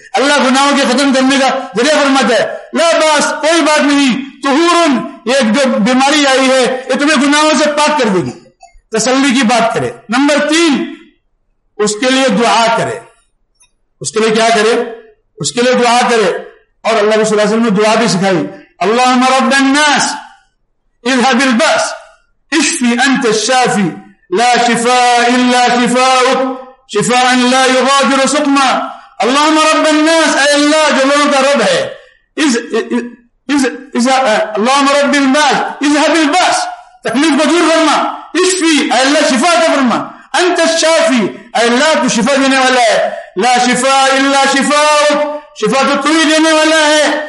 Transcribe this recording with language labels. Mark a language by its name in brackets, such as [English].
[Urdu] اللہ گناہوں کے ختم کرنے کا ذریعہ فرماتا ہے. [Arabic] لا باس, [Urdu] کوئی بات نہیں, طہور, یہ جو بیماری آئی ہے یہ تمہیں گناہوں سے پاک کر دے گی. تسلی کی بات کرے. نمبر تین, اس کے لیے دعا کرے. اس کے لیے کیا کرے؟ اس کے لیے دعا کرے. اور اللہ رسول اللہ صلی اللہ علیہ وسلم نے دعا بھی سکھائی. [Arabic] اللہم رب الناس اذهب الباس اشفی انت الشافی لا شفاء الا شفاءك شفاء لا يغادر سقما. اللہم رب الناس, [Urdu] اے اللہ جو لوگوں کا رب ہے, [Arabic] اللہم رب الناس اذهب الباس, [Urdu] تکلیف کو دور فرما. اشفی, اے اللہ شفا کا فرما. [Arabic] انت الشافی, [Urdu] اے اللہ تو شفا دینے والا ہے. [Arabic] لا شفا الا شفا, [Urdu] شفا تو تو ہی دینے والا ہے.